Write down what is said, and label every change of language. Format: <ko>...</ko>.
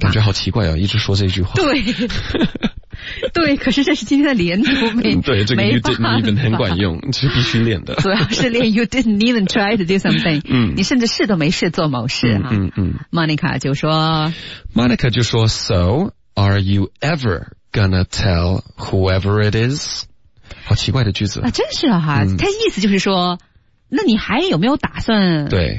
<zh>感觉好奇怪啊，一直说这句话。对，对，可是这是今天的连读，对，这个</zh> <en>you didn't even</en> <zh>很管用，是必须练的。主要是练</zh> <en>you didn't even try to do something。</en> <zh>嗯，你甚至试都没试做某事啊。 Monica 就说</zh> <en>，Monica</en> <zh>就说</zh> <en>，So are you ever gonna tell whoever it is？</en> <zh>好奇怪的句子啊，真是哈、啊，他、意思就是说。那你还有没有打算对</zh>